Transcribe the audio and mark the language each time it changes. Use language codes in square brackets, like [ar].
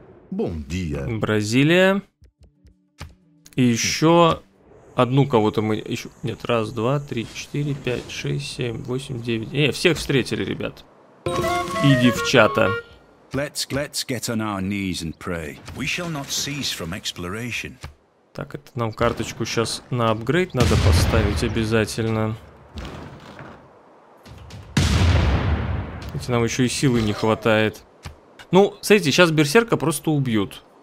[pt] Бон диа. [ru] Бразилия. И еще одну кого-то мы... еще нет, раз, два, три, четыре, пять, шесть, семь, восемь, девять... Не, всех встретили, ребят. И девчата. [en] Let's get on our knees and pray. We shall not cease from exploration. [ru] Так, это нам карточку сейчас на апгрейд надо поставить обязательно. Ведь нам еще и силы не хватает. Ну, смотрите, сейчас берсерка просто убьют.